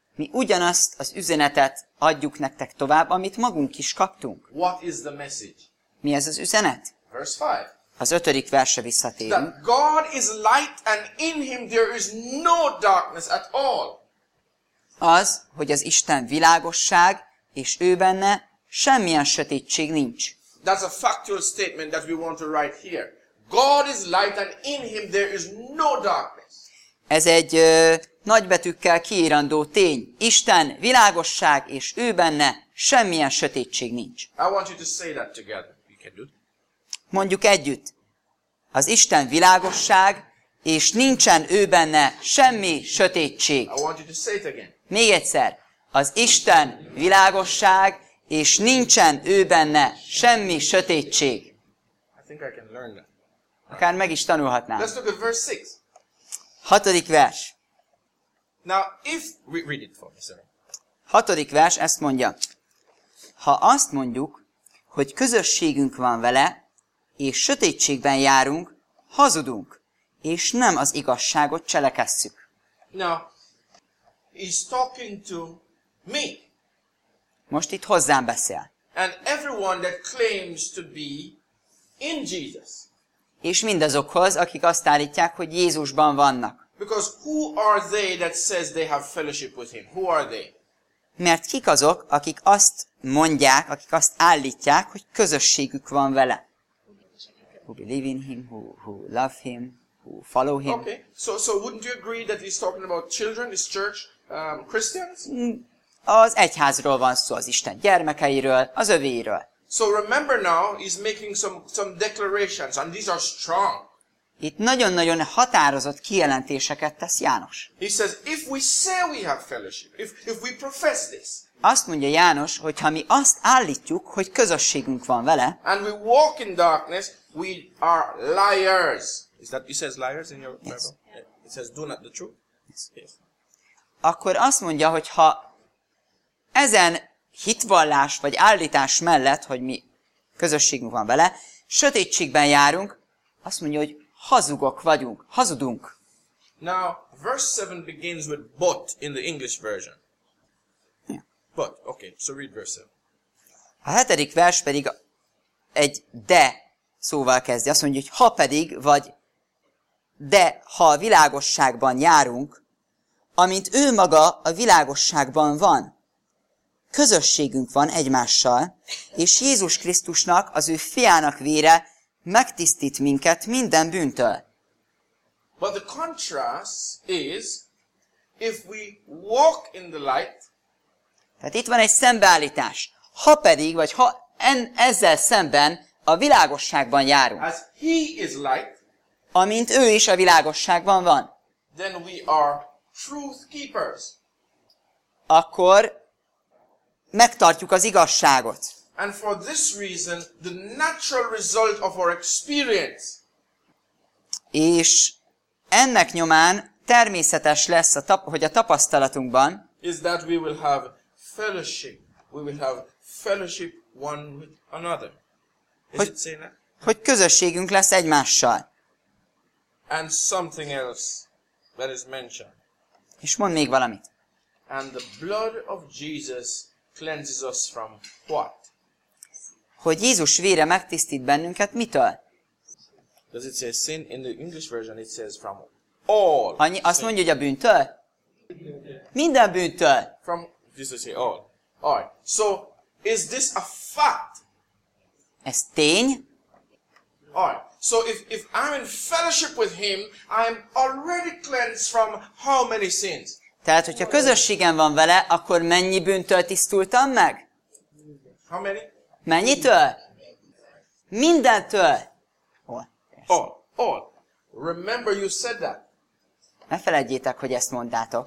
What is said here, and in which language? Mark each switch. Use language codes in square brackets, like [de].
[hu] Mi ugyanazt az üzenetet adjuk nektek tovább, amit magunk is kaptunk. [en] What is the message? [hu] Mi ez az üzenet? [en] Verse 5. [hu] Az ötödik verse visszatérünk. [en] That God is light and in him there is no darkness at all. [hu] Az, hogy az Isten világosság, és ő benne semmilyen sötétség nincs. [en] That's a factual statement that we want to write here. God is light and in him there is no darkness. [hu] Ez egy nagybetűkkel kiírandó tény. Isten világosság, és ő benne semmilyen sötétség nincs. [en] I want you to say that together. You can do it. [hu] Mondjuk együtt. Az Isten világosság, és nincsen ő benne semmi sötétség. [en] I want you to say it again. [hu] Még egyszer. Az Isten világosság, és nincsen ő benne semmi sötétség. [en] I think I can learn that. [hu] Akár meg is tanulhatnám. [en] Let's look at verse 6. [hu] Hatodik vers. [en] Now, if we read it for me, sorry. [hu] Hatodik vers ezt mondja. Ha azt mondjuk, hogy közösségünk van vele, és sötétségben járunk, hazudunk, és nem az igazságot cselekesszük. [en] Now, he's talking to me. [hu] Most itt hozzám beszél. [en] And everyone that claims to be in Jesus. [hu] És mindazokhoz, akik azt állítják, hogy Jézusban vannak. [en] Because who are they that says they have fellowship with him? Who are they? [hu] Mert kik azok, akik azt mondják, akik azt állítják, hogy közösségük van vele? [en] Who believe in him, who love him, who follow him. Okay, so wouldn't you agree that he's talking about children, his church, Christians? [hu] Az egyházról van szó, az Isten gyermekeiről, az övéiről. [en] So remember now, he's making some declarations, and these are strong. [hu] Itt nagyon-nagyon határozott kijelentéseket tesz János. [en] He says, if we say we have fellowship, if we profess this, [hu] azt mondja János, hogy ha mi azt állítjuk, hogy közösségünk van vele, [en] and we walk in darkness, we are liars. Is that, it says liars in your Bible? Yes. It says, do not the truth. Yes. [hu] Akkor azt mondja, hogy ha ezen hitvallás vagy állítás mellett, hogy mi közösségünk van vele, sötétségben járunk, azt mondja, hogy hazugok vagyunk, hazudunk. [en] Now, verse 7 begins with but in the English version. Yeah. But, okay, so read verse 7. [hu] A hetedik vers pedig egy de szóval kezdi. Azt mondja, hogy ha pedig, vagy de ha a világosságban járunk, amint ő maga a világosságban van, közösségünk van egymással, és Jézus Krisztusnak, az ő fiának vére megtisztít minket minden bűntől. [en] But the contrast is, if we walk in the light, [hu] tehát itt van egy szembeállítás. Ha pedig, vagy ha ezzel szemben a világosságban járunk, [en] as he is light, [hu] amint ő is a világosságban van, [en] then we are truth keepers. [hu] Akkor megtartjuk az igazságot. [en] And for this reason, the natural result of our experience. [hu] És ennek nyomán természetes lesz, hogy a tapasztalatunkban [en] is that we will have fellowship. We will have fellowship one with another. [hu] Hogy, hogy közösségünk lesz egymással. [en] And something else that is mentioned. [hu] És mond még valamit. [en] And the blood of Jesus cleanses us from what? [hu] Hogy Jézus vére megtisztít bennünket mitől? [en] Does it say sin? In the English version it says from all. [hu] Annyi, azt mondja, hogy a bűntől? Minden bűntől. [en] From, this is say all. Alright. So, is this a fact? [hu] Ez tény? [en] Alright. So, if I'm in fellowship with him, I'm already cleansed from how many sins? [hu] Tehát, hogyha közösségem van vele, akkor mennyi bűntől tisztultam meg? How many? Mennyitől? Mindentől. [en] All. Remember you said that. [hu] Ne feledjétek, hogy ezt mondtátok.